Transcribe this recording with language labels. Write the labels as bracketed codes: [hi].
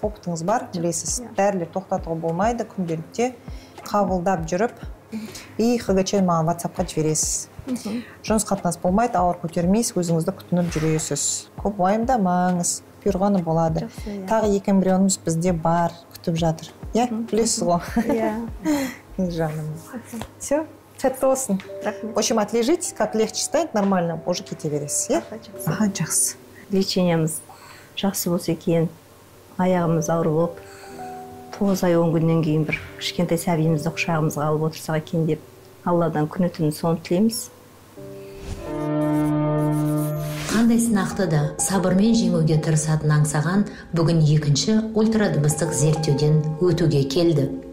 [kk] Опытыңыз бар, білесіз. Дәрілер тоқтатуға болмайды, күнделікте қабылдап жүріп. И ХГЧ-ні маған WhatsApp-қа жібересіз. Жұмыс қатынас болмайды, ауыр көтермейсіз, өзіңізді күтініп жүресіз. Көп уайымдамаңыз, бұйырғаны болады. Тағы 2 эмбрионымыз бізде бар, күтіп жатыр. Иә, білесіз ғой. Иә. Жаным. Все, сәтті болсын. [ru] В общем, отлежитесь, как легче станет, нормально, уже [kk] кете бересіз. Аха, жақсы. Лечениеміз жақсы болса екен, аяғымыз ауыр болып, 9 ай 10 күннен кейін бір кішкентай сәбиімізді құшағымызға алып отырсақ екен деп Алладан күні-түні соны тілейміз. Қан Қандай сынақты да сабырмен жеңуге тырысатын аңсаған бүгін екінші ультрадыбыстық зерттеуден өтуге келді.